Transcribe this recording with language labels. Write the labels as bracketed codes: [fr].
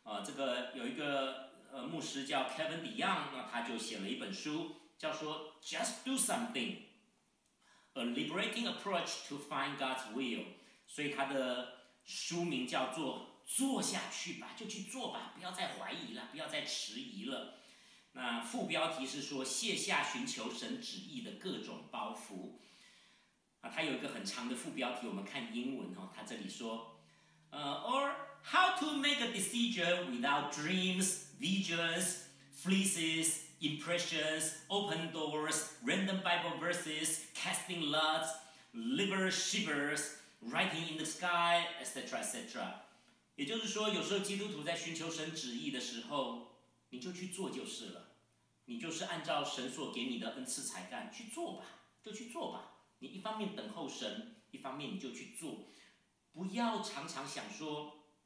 [zh] 这个有一个牧师叫 Kevin DeYoung， 那他就写了一本书叫说 Just Do Something A Liberating Approach to Find God's Will， 所以他的书名叫做做下去吧，就去做吧，不要再怀疑了，不要再迟疑了。那副标题是说卸下寻求神旨意的各种包袱。他有一个很长的副标题，我们看英文，他这里说 [en] Or how to make a decision without dreams, visions, fleeces, impressions, open doors, random Bible verses, casting lots, liver shivers, writing in the sky, etc. etc. [zh] 也就是说，有时候基督徒在寻求神旨意的时候，你就去做就是了，你就是按照神所给你的恩赐才干去做吧，就去做吧，你一方面等候神，一方面你就去做，不要常常想说